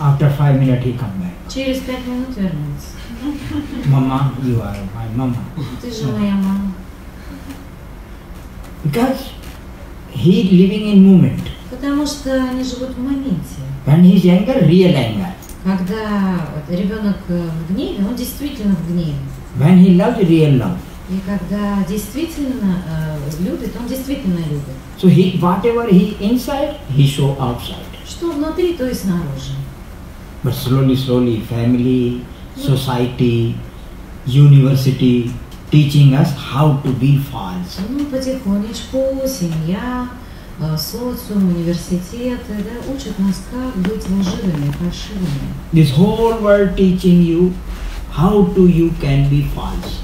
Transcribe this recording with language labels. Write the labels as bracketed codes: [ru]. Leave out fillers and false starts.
[en] After 5 minutes he come back. [ru] Через 5 минут вернется. [en] Мама, you are my mama. [ru] Ты же моя мама. [en] Because he living in moment. [ru] Потому что они живут в моменте. [en] When he's anger, real anger. [ru] Когда ребенок в гневе, он действительно в гневе. [en] When he loves, real love. [ru] И когда действительно любит, он действительно любит. [en] So he, whatever he inside, he show outside. [ru] Что внутри, то и снаружи. [en] But slowly, slowly, family, society, university teaching us how to be false. [ru] Ну, потихонечку, семья, социум, университеты, да, учат нас, как быть лживыми, фальшивыми. [en] This whole world teaching you how to you can be false.